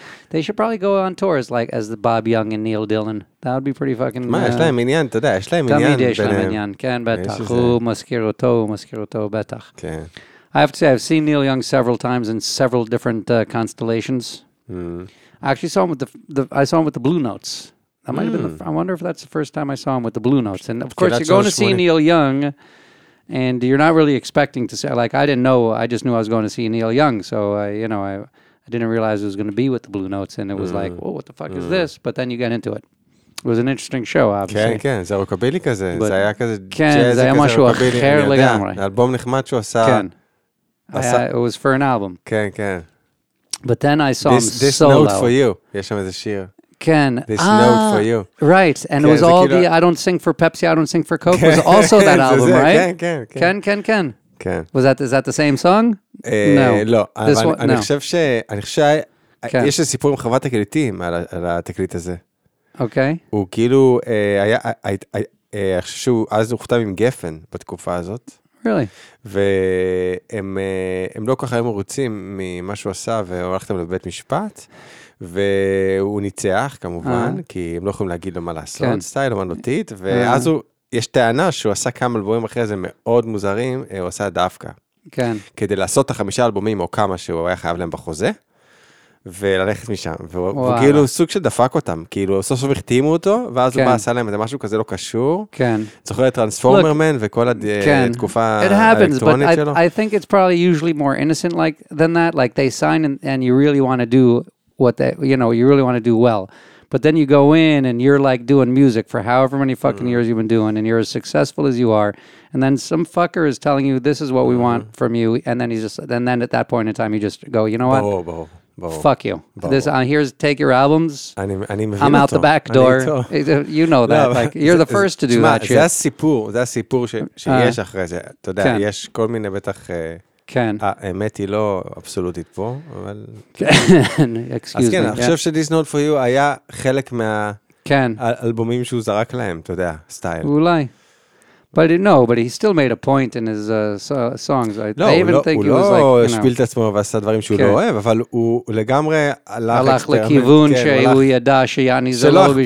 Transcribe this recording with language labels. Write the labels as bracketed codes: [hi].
[en] They should probably go on tours like as the Bob Young and Neil Dillon. That would be pretty fucking... [he] יש להם עניין, אתה יודע, יש להם עניין. תמיד יש להם עניין, כן, בטח. הוא מזכיר אותו, הוא מזכיר אותו, בטח. כן. [en] I have to say, I've seen Neil Young several times in several different constellations. I actually saw him with the Blue Notes. That might have been I wonder if that's the first time I saw him with the Blue Notes. And of course, you're going to see Neil Young... And you're not really expecting to see, like, I didn't know, I just knew I was going to see Neil Young, so, I didn't realize it was going to be with the Blue Notes, and it was like, whoa, what the fuck is this? But then you get into it. It was an interesting show, obviously. [he] כן, כן, זה רוקבילי כזה, זה היה כזה, כן, זה היה משהו אחר לגמרי. אלבום נחמד שהוא עשה. [en] כן, it was for an album. [he] כן, כן. [en] But then I saw him this solo. [he] This Note for You, יש שם איזה שיר. Ken, [en] this Note for You. Right, and it was all the I Don't Sing for Pepsi, I Don't Sing for Coke was also that album, right? [he] Ken. Ken. [en] Was that, is that the same song? [he] No. לא, אבל אני חושב ש... אני חושב, יש סיפור עם חוות הקליטים על התקליט הזה. אוקיי. הוא כאילו, היה, אני חושב שהוא, אז הוא חותם עם גפן בתקופה הזאת. [en] Really? [he] והם לא ככה מרוצים ממה שהוא עשה, והולכתם לבית משפט, והוא ניצח, כמובן, כי הם לא יכולים להגיד לו מה לעשות, סטייל אומנותית, ואז יש טענה שהוא עשה כמה אלבומים אחרי זה מאוד מוזרים, הוא עשה דווקא. כן. כדי לעשות את החמישה אלבומים או כמה שהוא היה חייב להם בחוזה, וללכת משם. וכאילו סוג של דפק אותם, כאילו סוף סוף החתימו אותו, ואז הוא בא עשה להם, זה משהו כזה לא קשור. כן. זוכר את טרנספורמר מן וכל התקופה האלקטרונית שלו. [en] It happens, but I think it's probably usually more innocent like than that, like they sign and you really want to do what they, you know, you really want to do well. But then you go in and you're like doing music for however many fucking years you've been doing and you're as successful as you are. And then some fucker is telling you, this is what we want from you. And then he's just, and then at that point in time, you just go, you know what? Fuck you. This, here's, take your albums. I'm out the back door. You know that. Like, you're the first to do that shit. [he] זה הסיפור, זה הסיפור שיש אחרי זה. אתה יודע, יש כל מיני בטח... כן. האמת היא לא אבסולוטית פה, אבל... כן, אקסקיוז מי. אז כן, אני חושב ש-This Note For You היה חלק מהאלבומים שהוא זרק להם, אתה יודע, סטייל. אולי. [en] But no, but he still made a point in his songs. [he] לא, הוא לא השפיל את עצמו ועשה דברים שהוא לא אוהב, אבל הוא לגמרי הלך לכיוון שהוא ידע שיאני זה לא בשביל...